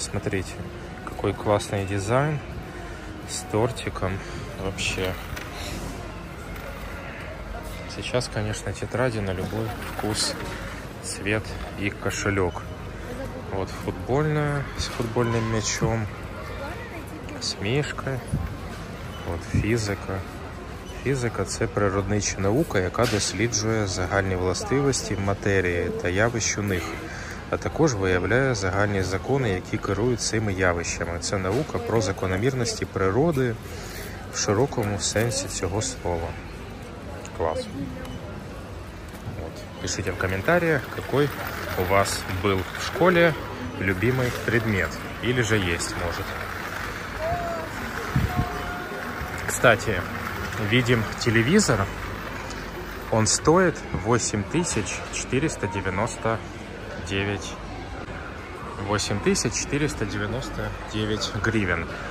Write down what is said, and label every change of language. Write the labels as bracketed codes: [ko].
[ru] Смотрите, какой классный дизайн. С тортиком вообще. Сейчас, конечно, тетради на любой вкус, цвет и кошелек. Вот футбольная с футбольным мячом, с мишкой. Вот физика. [uk] Фізика – це природнича наука, яка досліджує загальні властивості матерії та явищ у них, а також виявляє загальні закони, які керують цими явищами. Це наука про закономірності природи в широкому сенсі цього слова. Клас. Вот. Пишіть в коментарях, який у вас був в школі любимий предмет. [ru] Или же есть, может. Кстати, видим телевизор. Он стоит 8499 гривен.